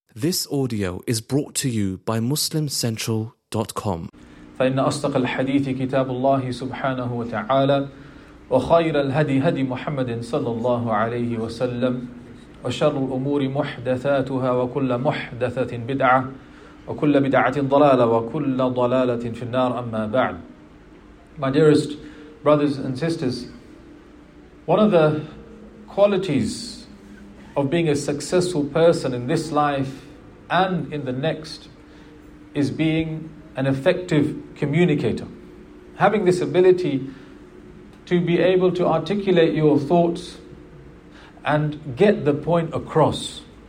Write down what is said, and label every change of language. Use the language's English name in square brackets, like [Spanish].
[English] This audio is brought to you by MuslimCentral.com. [Arabic] فإن أصدق الحديث كتاب الله سبحانه وتعالى وخير الهدي هدي محمد صلى الله عليه وسلم وشر الأمور محدثاتها وكل محدثة بدعة وكل بدعة ضلالة وكل ضلالة في النار أما بعد. [English] My dearest brothers and sisters, one of the qualities of being a successful person in this life and in the next is being an effective communicator. Having this ability to be able to articulate your thoughts and get the point across.